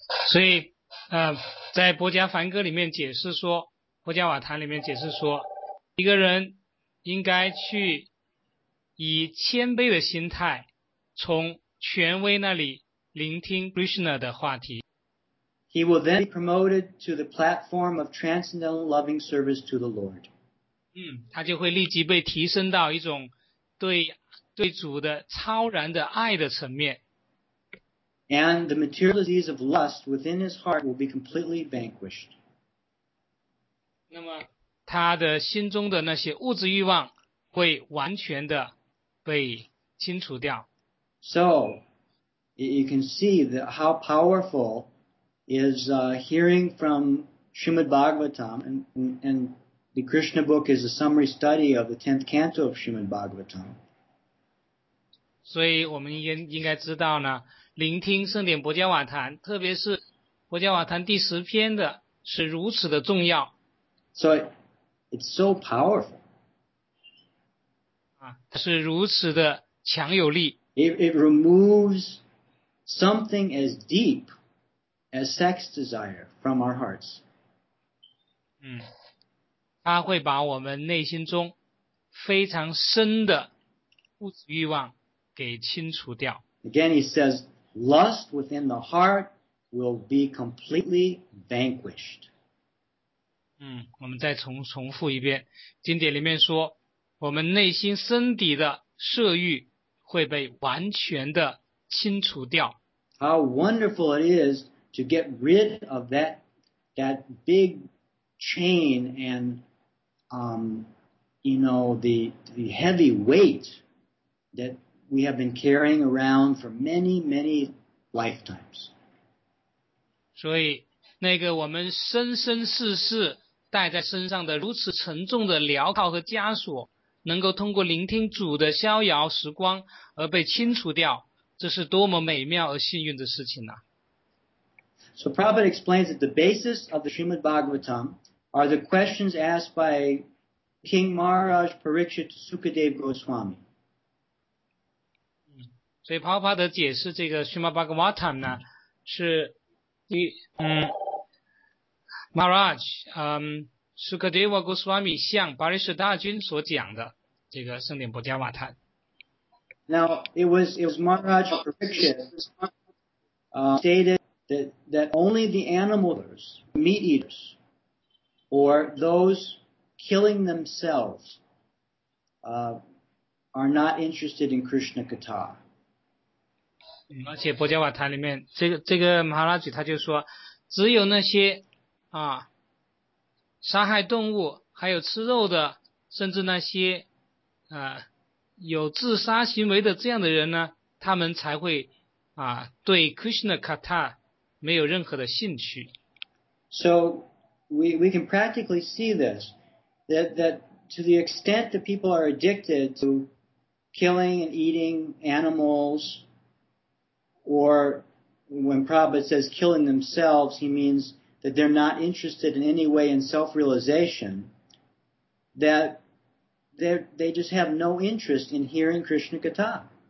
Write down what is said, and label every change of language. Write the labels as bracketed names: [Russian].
[Chinese] 所以在薄伽梵歌里面解释说，薄伽瓦坛里面解释说，一个人应该去以谦卑的心态从权威那里聆听 Krishna 的话题。 [English] He will then be promoted to the platform of transcendental loving service to the Lord. [Chinese] 他就会立即被提升到一种对主的超然的爱的层面。 [English] And the material disease of lust within his heart will be completely vanquished. [Chinese] 那么他的心中的那些物质欲望会完全的被清除掉。 [English] So, you can see that how powerful is hearing from Srimad Bhagavatam, and the Krishna book is a summary study of the 10th canto of Srimad Bhagavatam. [Chinese] 所以我们应该知道呢，聆听圣典薄伽瓦坛，特别是薄伽瓦坛第十篇的，是如此的重要。 [English] So it's so powerful. [Chinese] 是如此的强有力。 [English] It removes something as deep as sex desire from our hearts. [Chinese] 它会把我们内心中非常深的物质欲望给清除掉。 [English] Again, he says. Lust within the heart will be completely vanquished. [Chinese] 我们再重复一遍。经典里面说，我们内心深底的色欲会被完全的清除掉。 [English] How wonderful it is to get rid of that big chain and, the heavy weight that we have been carrying around for many, many lifetimes. [Chinese] 所以那个我们生生世世带在身上的如此沉重的镣铐和枷锁能够通过聆听主的逍遥时光而被清除掉，这是多么美妙而幸运的事情啊。 [English] So Prabhupada explains that the basis of the Srimad Bhagavatam are the questions asked by King Maharaj Parikshit to Sukadeva Goswami. [Chinese] 所以 Prabhupada 解释这个 Srimad Bhagavatam 呢，是第Maharaj Sukadeva Goswami 向 Parikshit 大君所讲的这个圣典波迦瓦坦。 [English] Now it was Maharaj Parikshit stated that only the animal eaters, meat eaters, or those killing themselves, are not interested in Krishna Katha. [Chinese] 而且波迦瓦坦里面，这个 Maharaj 他就说，只有那些啊杀害动物，还有吃肉的，甚至那些有自杀行为的这样的人呢，他们才会对 Krishna Katha 没有任何的兴趣。 [English] So we can practically see this, that to the extent that people are addicted to killing and eating animals, or when Prabhupada says killing themselves, he means that they're not interested in any way in self-realization, that they just have no interest in hearing Krishna Katha.